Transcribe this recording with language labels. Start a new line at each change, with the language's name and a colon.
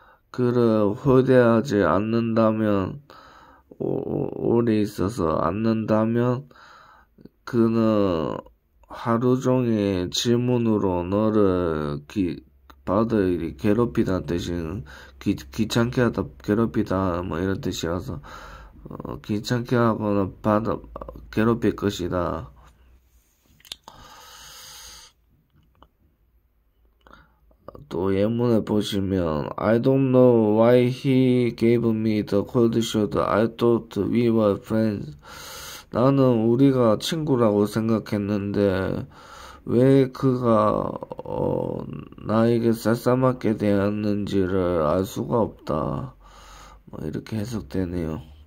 Korean: 그를 호대하지 않는다면 오래 있어서 않는다면 그는 하루 종일 질문으로 너를 받을 괴롭히다는 뜻인 귀찮게 하다 괴롭히다 뭐 이런 뜻이어서 귀찮게 하거나 괴롭힐 것이다.
English: 또 예문을 보시면 I don't know why he gave me the cold shoulder. I thought we were friends.
Korean: 나는 우리가 친구라고 생각했는데 왜 그가 나에게 쌀쌀맞게 대하는지를 알 수가 없다. 뭐 이렇게 해석되네요.